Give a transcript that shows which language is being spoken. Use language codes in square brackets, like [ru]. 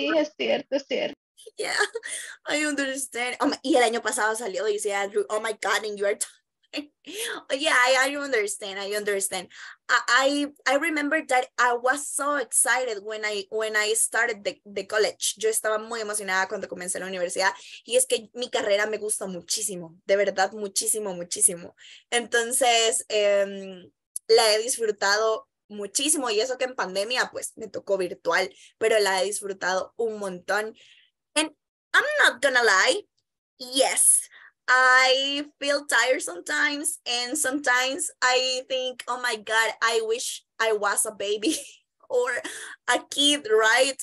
[es] Sí, es cierto, es cierto. [en] Yeah, I understand. [es] Y el año pasado salió y decía, [en] oh my God, and you are I understand. I remember that I was so excited when I started the college. [es] Yo estaba muy emocionada cuando comencé la universidad y es que mi carrera me gusta muchísimo, de verdad muchísimo, muchísimo. Entonces, la he disfrutado muchísimo y eso que en pandemia pues me tocó virtual, pero la he disfrutado un montón. [en] And I'm not gonna lie, yes, I feel tired sometimes, and sometimes I think, oh my God, I wish I was a baby or a kid, right?